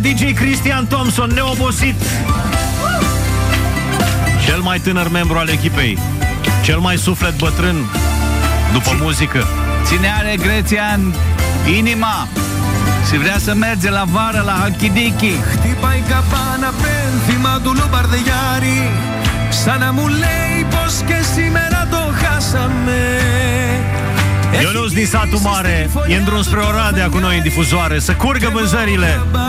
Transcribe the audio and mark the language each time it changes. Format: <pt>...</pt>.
<ro>DJ Cristian Thompson, neobosit. Cel mai tânăr membru al echipei. Cel mai suflet bătrân după muzică. Ține are Grețian inima și vrea să merge la vară la Halkidiki.</ro> <el>Χτυπάει καπάνα πένθυμα του Λουμπαρδιάρη. Σαν να μου λέει πως και σήμερα το χάσαμε.</el> <ro>Ionuț din satul mare e în drum spre Oradea cu noi în difuzoare. Să curgă vânzările.</ro>